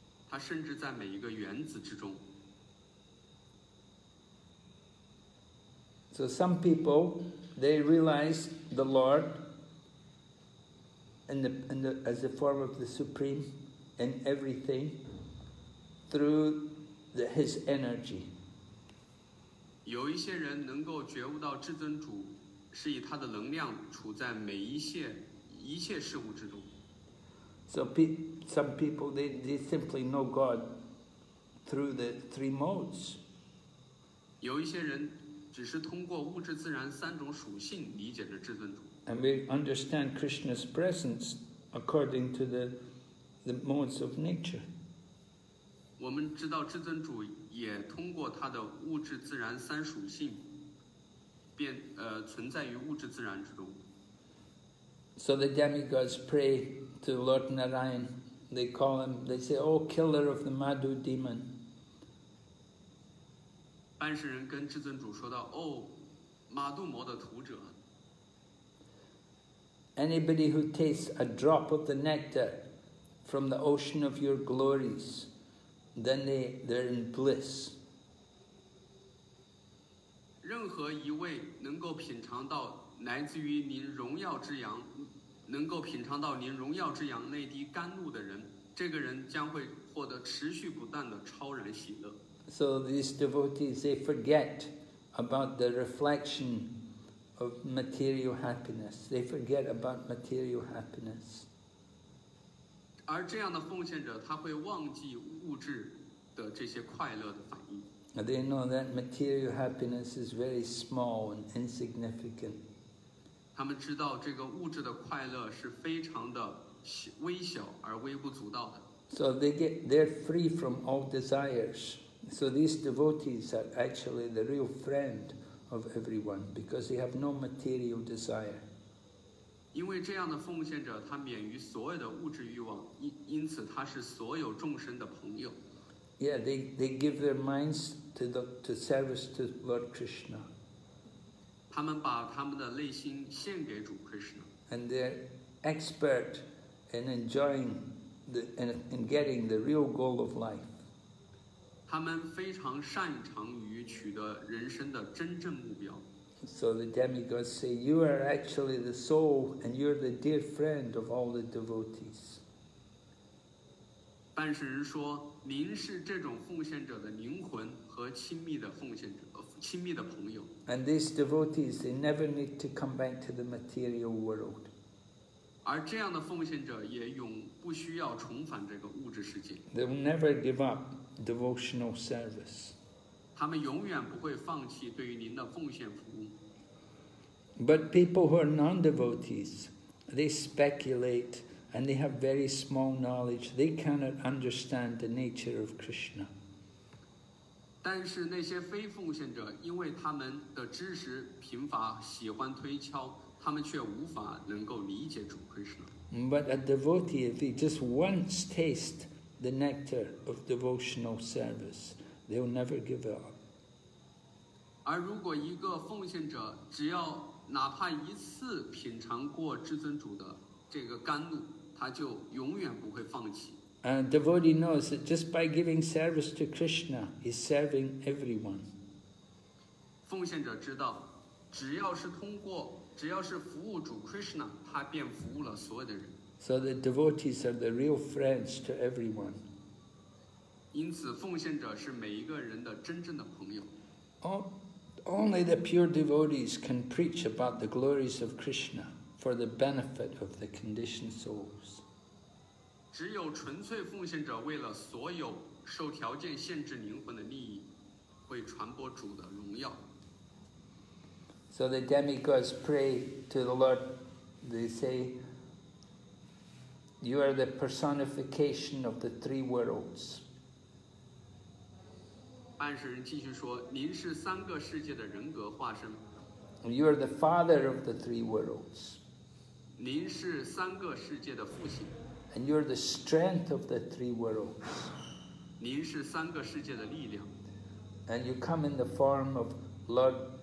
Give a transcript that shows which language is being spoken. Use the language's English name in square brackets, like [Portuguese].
[Chinese] 他甚至在每一个原子之中。 [English] So some people, they realize the Lord as the form of the Supreme in everything through His energy. [Chinese] 有一些人能够觉悟到至尊主是以他的能量处在每一切事物之中。 [English] So some people, they simply know God through the three modes. [Chinese] 有一些人只是通过物质自然三种属性理解着至尊主。 [English] And we understand Krishna's presence according to the modes of nature. [Chinese] 我们知道至尊主也通过他的物质自然三属性存在于物质自然之中。 [English] So the demigods pray to Lord Narayan. They call him, they say, Oh, killer of the Madhu demon. [Chinese] 半世人跟至尊主说道：“哦，马杜摩的徒者。 [English] Anybody who tastes a drop of the nectar from the ocean of your glories, then they're in bliss. [Chinese] 任何一位能够品尝到来自于您荣耀之阳，能够品尝到您荣耀之阳那滴甘露的人，这个人将会获得持续不断的超然喜乐。” [English] So these devotees, they forget about the reflection of material happiness. They forget about material happiness. [Chinese] 而这样的奉献者，他会忘记物质的这些快乐的反应。 [English] They know that material happiness is very small and insignificant. [Chinese] 他们知道这个物质的快乐是非常的微小而微不足道的。 [English] So they're free from all desires. So these devotees are actually the real friend of everyone because they have no material desire. [Chinese] 因为这样的奉献者，他免于所有的物质欲望，因此他是所有众生的朋友。 [English] Yeah, they give their minds to service to Lord Krishna. [Chinese] 他们把他们的内心献给主 Krishna. [English] And they're expert in enjoying and getting the real goal of life. [Chinese] 他们非常擅长于取得人生的真正目标。 [English] So the demigods say, you are actually the soul and you're the dear friend of all the devotees. [Chinese] 半世人说，您是这种奉献者的灵魂和亲密的奉献者，亲密的朋友。 [English] And these devotees, they never need to come back to the material world. [Chinese] 而这样的奉献者也永不需要重返这个物质世界。 [English] They will never give up. Devotional service. [Chinese] 他们永远不会放弃对于您的奉献服务。 [English] But people who are non-devotees, they speculate and they have very small knowledge. They cannot understand the nature of Krishna. [Chinese] 但是那些非奉献者，因为他们的知识贫乏，喜欢推敲，他们却无法能够理解主 Krishna. [English] But a devotee, if he just once tastes. The nectar of devotional service, they will never give up. [Chinese] 而如果一个奉献者只要哪怕一次品尝过至尊主的这个甘露，他就永远不会放弃。 [English] And devotee knows that just by giving service to Krishna, he's serving everyone. [Chinese] 奉献者知道，只要是服务主 Krishna, 他便服务了所有的人。 [English] So the devotees are the real friends to everyone. [Chinese] 因此奉献者是每一个人的真正的朋友。 [English] Only the pure devotees can preach about the glories of Krishna for the benefit of the conditioned souls. [Chinese] 只有纯粹奉献者为了所有受条件限制灵魂的利益，会传播主的荣耀。 [English] So the demigods pray to the Lord. They say, "You are the personification of the three worlds." [Chinese] 暗示人继续说，您是三个世界的人格化身。 [English] You are the father of the three worlds. [Chinese] 您是三个世界的父亲。 [English] And you are the strength of the three worlds. [Chinese] 您是三个世界的力量。 [English] And you come in the form of Lord.